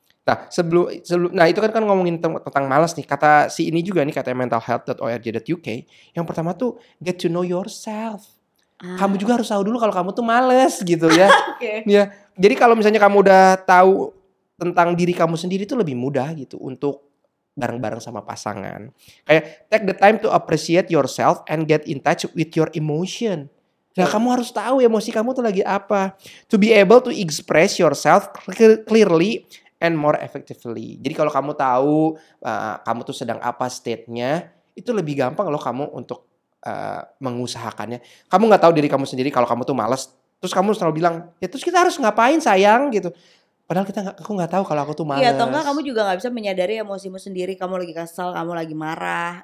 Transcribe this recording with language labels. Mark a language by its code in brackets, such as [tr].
[id] Nah, itu kan ngomongin tentang males nih, kata si ini juga nih, kata mentalhealth.org.uk. Yang pertama tuh, [en] get to know yourself. [id] Kamu juga harus tahu dulu kalau kamu tuh males gitu ya. [en] Okay. [id] Ya. Jadi kalau misalnya kamu udah tahu tentang diri kamu sendiri tuh lebih mudah gitu untuk bareng-bareng sama pasangan. [en] Kayak take the time to appreciate yourself and get in touch with your emotion. [id] Nah, kamu harus tahu emosi kamu tuh lagi apa. [en] To be able to express yourself clearly and more effectively. [id] Jadi kalau kamu tahu kamu tuh sedang apa state-nya, itu lebih gampang loh kamu untuk mengusahakannya. Kamu gak tahu diri kamu sendiri kalau kamu tuh malas, terus kamu selalu bilang, ya terus kita harus ngapain sayang gitu. Padahal aku gak tahu kalau aku tuh males. Iya atau enggak, kamu juga gak bisa menyadari emosimu sendiri. Kamu lagi kesel, kamu lagi marah.